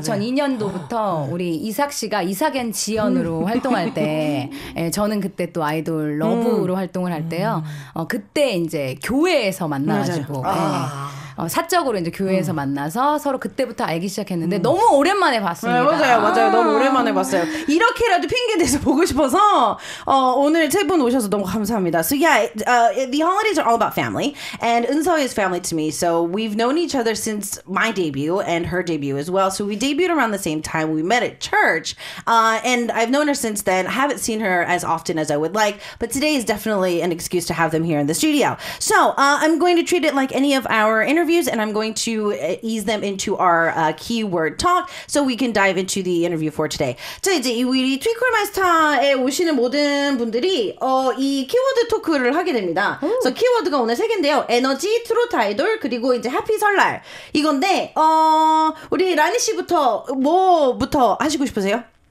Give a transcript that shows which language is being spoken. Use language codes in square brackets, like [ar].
[ko] 2002년도부터 우리 이삭 씨가 이삭앤 지연으로 활동할 때 예, 저는 그때 또 아이돌 러브로 활동을 할 때요. 그때 이제 교회에서 만나가지고 사적으로 이제 교회에서 만나서 서로 그때부터 알기 시작했는데 너무 오랜만에 봤습니다. 네, 맞아요. 맞아요. 너무 오랜만에 봤어요. 이렇게라도 핑계대서 보고 싶어서 오늘 세 분 오셔서 너무 감사합니다. [en] So yeah, the holidays are all about family and Eunseo is family to me. So we've known each other since my debut and her debut as well. So we debuted around the same time. We met at church and I've known her since then. I haven't seen her as often as I would like, but today is definitely an excuse to have them here in the studio. So I'm going to treat it like any of our interviews and I'm going to ease them into our keyword talk so we can dive into the interview for today. [ko] 자 이제 우리 트위클 마스터에 오시는 모든 분들이 이 키워드 토크를 하게 됩니다. 오. So 키워드가 오늘 세 개인데요. 에너지, 트로트 아이돌, 그리고 이제 해피 설날. 이건데 우리 라니 씨부터 뭐부터 하시고 싶으세요?